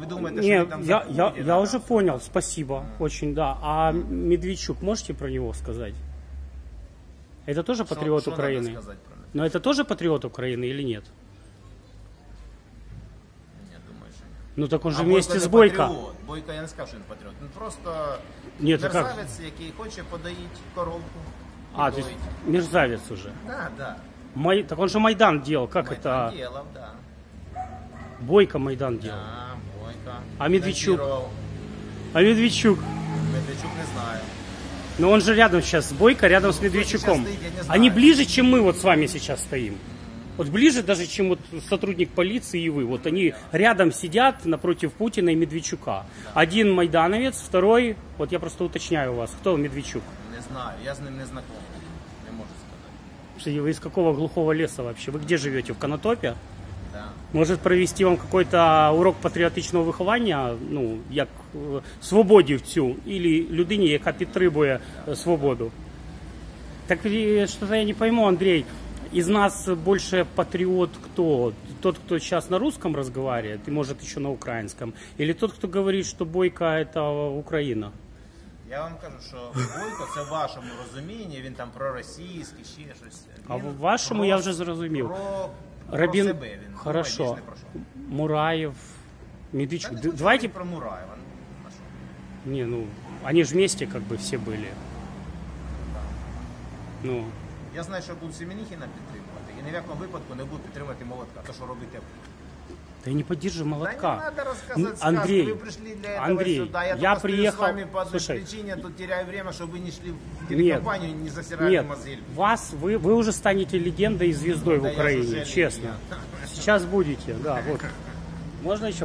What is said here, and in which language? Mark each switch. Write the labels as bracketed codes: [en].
[ru] Вы думаете, не, что там я уже понял, спасибо. Mm-hmm. Очень, да. А Медведчук, можете про него сказать? Это тоже патриот что Украины? Надо сказать про него? Но это тоже патриот Украины или нет? Ну так он же вместе с Бойко. Патриот. [uk] Бойко, я не скажу, що він патріот. Він просто [ru] нет, [uk] мерзавець, [ru] как? [uk] Який хоче подоїти коровку. [ru] А, то есть мерзавець уже. Да, да. Так он же Майдан делал, как Майдан это? Майдан делал, да. Бойко Майдан делал. Да, Бойко. А Медведчук? Тантировал. А Медведчук? Медведчук не знаю. Но он же рядом сейчас с Бойко, рядом с Медведчуком. Они ближе, чем мы вот с вами сейчас стоим. Вот ближе даже, чем вот сотрудник полиции и вы. Вот они рядом сидят напротив Путина и Медведчука. Да. Один майдановец, второй, вот я просто уточняю у вас, кто Медведчук? Не знаю, я с ним не знаком, не могу сказать. Что, вы из какого глухого леса вообще? Вы где живете, в Конотопе? Да. Может провести вам какой-то урок патриотичного выхования, ну, як свободе всю, или [uk] людині, яка підтримує свободу? [ru] Так что-то я не пойму, Андрей. Из нас больше патриот кто? Тот, кто сейчас на русском разговаривает, и может еще на украинском? Или тот, кто говорит, что Бойко это Украина? Я вам кажу, что Бойко, это в вашем розумінні, [uk] він там проросійський, ще щось. А в вашому я вже зрозумів. [ru] Рабин, про хорошо. [uk] Думає, про що. Мураєв, Медведчук. [ru] Да, давайте про Мураєва. Не, ну, они же вместе как бы все были. Да. Ну, [uk] я знаю, що буду Семенихіна підтримувати, і ні в якому випадку не буду підтримувати Молотка, то що робите. [ru] Да я не поддерживаю молотка. Да не надо рассказывать сказку, Андрей, вы пришли для этого Андрей, сюда. Я приехал, с вами по одной причине, а тут теряю время, чтобы вы не шли в компанию, не засирали мозель. Вас, вы уже станете легендой и звездой в Украине, честно. Сейчас будете, да, вот. Можно еще